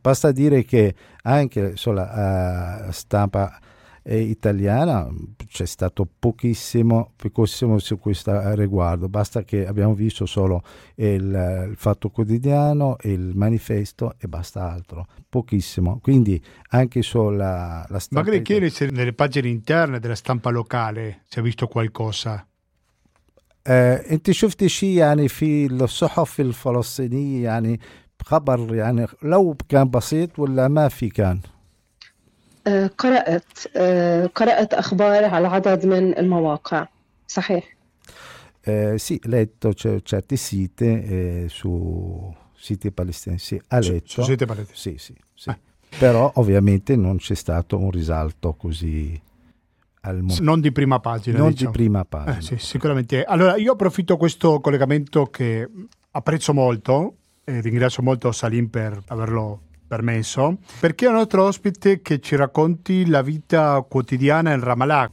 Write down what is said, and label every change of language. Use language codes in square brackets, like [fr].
[it] Basta dire che anche sulla stampa italiana c'è stato pochissimo su questo riguardo, basta che abbiamo visto solo il Fatto Quotidiano, il Manifesto e basta altro, pochissimo. Quindi anche sulla la stampa, magari chiedi se nelle pagine interne della stampa locale si è visto qualcosa. [ar] انت شفت شيء يعني في الصحف الفلسطينية يعني خبر يعني لو كان بسيط ولا ما في كان؟ قرأت أخبار على عدد من المواقع، صحيح. [it] Sì, letto certi siti su siti palestinesi. Ha letto. Su siti palestinesi. Sì, sì, sì. Però ovviamente non c'è stato un risalto così. Non di prima pagina. Non diciamo. Di prima pagina. Sì, sicuramente. Allora, io approfitto questo collegamento che apprezzo molto e ringrazio molto Salim per averlo permesso, perché è un altro ospite che ci racconti la vita quotidiana in Ramallah.